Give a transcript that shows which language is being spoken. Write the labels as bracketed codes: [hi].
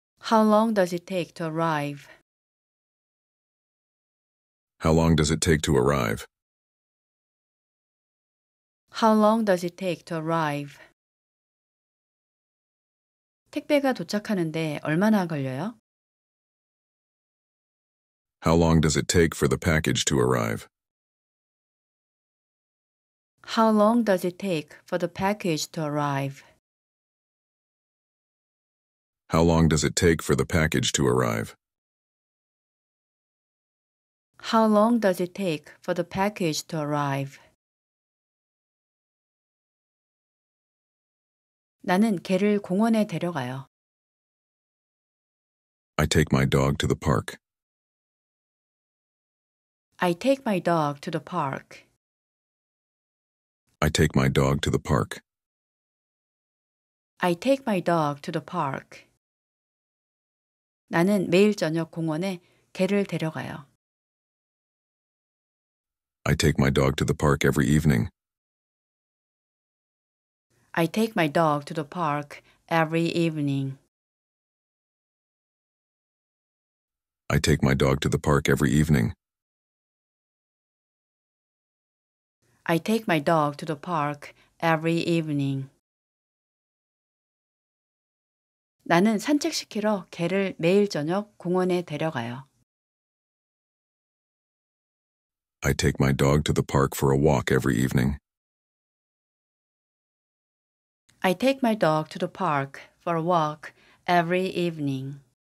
[en] How long does it take to arrive? How long does it take to arrive? How long does it take to arrive? [ko] 택배가 도착하는데 얼마나 걸려요? [en] How long does it take for the package to arrive? How long does it take for the package to arrive? How long does it take for the package to arrive? How long does it take for the package to arrive? [ko] 나는 개를 공원에 데려가요. [en] I take my dog to the park. I take my dog to the park. I take my dog to the park. I take my dog to the park. [ko] 나는 매일 저녁 공원에 개를 데려가요. [en] I take my dog to the park every evening. I take my dog to the park every evening. I take my dog to the park every evening. I take my dog to the park every evening. [ko] 나는 산책시키러 개를 매일 저녁 공원에 데려가요. [en] I take my dog to the park for a walk every evening. I take my dog to the park for a walk every evening.